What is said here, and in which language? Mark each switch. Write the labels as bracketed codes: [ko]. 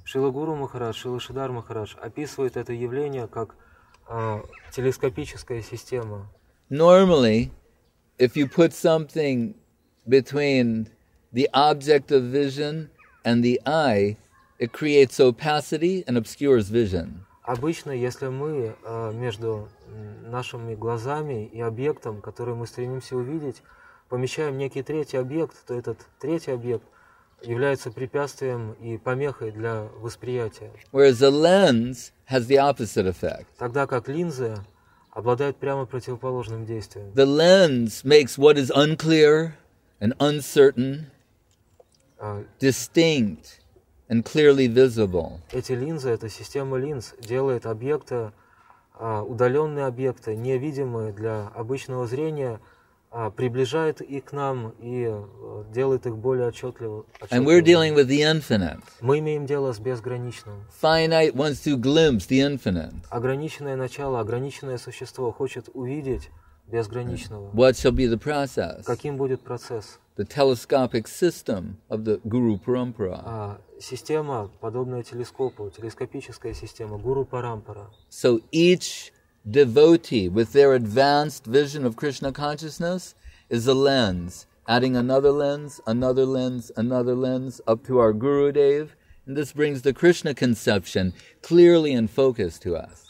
[ru] Шрила Гуру Махарадж, Шрила Шридхар Махарадж описывает это явление как телескопическая система. [en] Normally, if you put something between the object of vision and the eye, it creates opacity and obscures vision. [ru] Обычно, если мы между нашими глазами и объектом, который мы стремимся увидеть, помещаем некий третий объект, то этот третий объект является препятствием и помехой для восприятия. [en] Whereas a lens has the opposite effect. [ru] Тогда как линзы обладает прямо противоположным действием. [en] The lens makes what is unclear and uncertain distinct and clearly visible. [ru] Эти линзы, эта система линз, делает объекты, удаленные объекты, невидимые для обычного зрения, приближает их к нам и делает их более отчетливыми. [en] And we're dealing with the infinite. [ru] Мы имеем дело с безграничным. [en] Finite wants to glimpse the infinite. [ru] Ограниченное начало, ограниченное существо хочет увидеть безграничного. [en] What shall be the process? [ru] Каким будет процесс? [en] The telescopic system of the Guru Parampara. [ru] Система, подобная телескопу, телескопическая система Гуру Парампара. [en] So each devotee with their advanced vision of Krishna consciousness is a lens, adding another lens, another lens, another lens up to our Gurudev. And this brings the Krishna conception clearly in focus to us.